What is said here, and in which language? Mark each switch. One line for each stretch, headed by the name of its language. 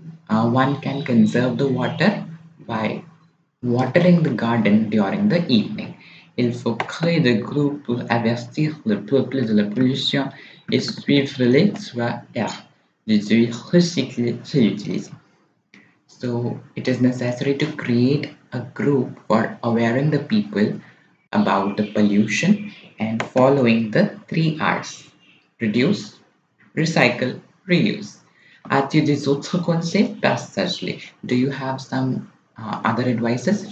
English: One can conserve the water by watering the garden during the evening.
French: Il faut créer des groupes pour avertir le peuple de la pollution et suivre les soins des recyclés et utilisés.
English: So it is necessary to create a group for awaring the people about the pollution and following the three R's: reduce, recycle, reuse.
French: As-tu des autres conseils, passage-les.
English: Do you have some other advices?